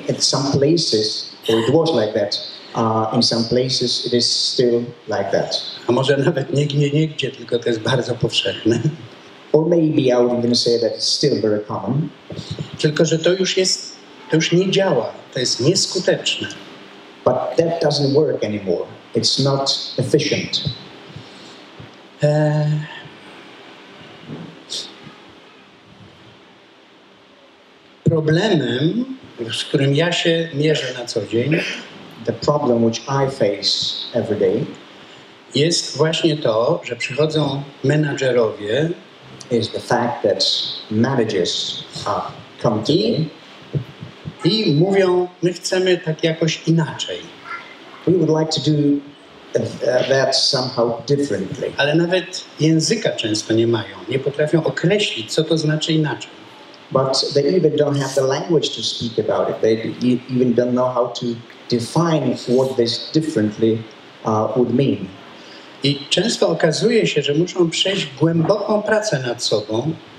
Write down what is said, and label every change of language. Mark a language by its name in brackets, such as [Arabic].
[English] In some places, or it was like that. In some places, it is still like that. [Polish] A może nawet nie gdzie, tylko to jest bardzo powszechne. [English] Or maybe I would even say that it's still very common. [Polish] Tylko że to już nie działa. To jest nieskuteczne. [English] But that doesn't work anymore. It's not efficient. [Polish] Problemem, z którym ja się mierzę na co dzień, [English] the problem which I face every day, [Polish] jest właśnie to, że przychodzą menadżerowie, [English] is the fact that managers come to me, [Polish] i mówią, my chcemy tak jakoś inaczej. [English] We would like to do that somehow differently. [Polish] Ale nawet języka często nie mają. Nie potrafią określić, co to znaczy inaczej. [English] But they even don't have the language to speak about it. They even don't know how to define what this differently would mean. [Polish] I często okazuje się, że muszą przejść głęboką pracę nad sobą.